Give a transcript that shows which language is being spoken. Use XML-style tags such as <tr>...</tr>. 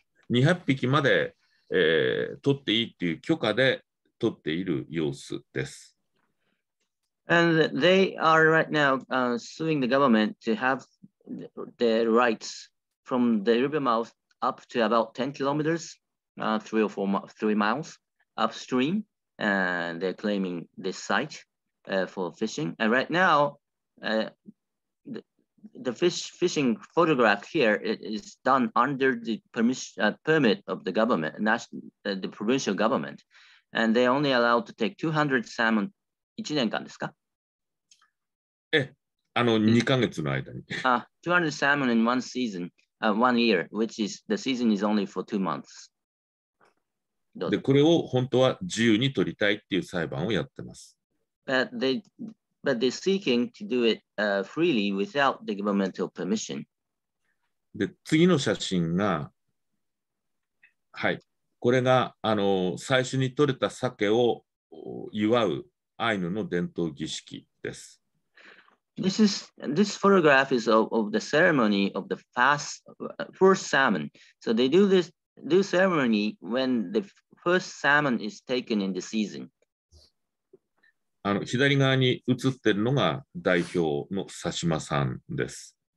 <ja>200匹まで、取っていいっていう許可で取っている様子です。</ja> <en>And they are right now suing the government to have the rights from the river mouth up to about 10 kilometers, three miles upstream, and they're claiming this site for fishing. And right now, the fishing photograph here is done under the permit of the government, the provincial government, and they only allowed to take 200 salmon.</en> <ja>1年間ですか？え、あの2ヶ月の間に。</ja> <en>200 salmon in one season, one year, which is the season is only for 2 months.</en> <ja>で、これを本当は自由に取りたいっていう裁判をやってます。</ja> <en>But they're seeking to do it freely without the governmental permission.</en> <ja>で、次の写真が、はい、これが最初に取れた鮭を祝うアイヌの伝統儀式です。</ja> <en>This photograph is of the ceremony of the first salmon. So they do this ceremony when the first salmon is taken in the season.</en> <ja>左側に写ってるのが代表の佐島さんです。</ja>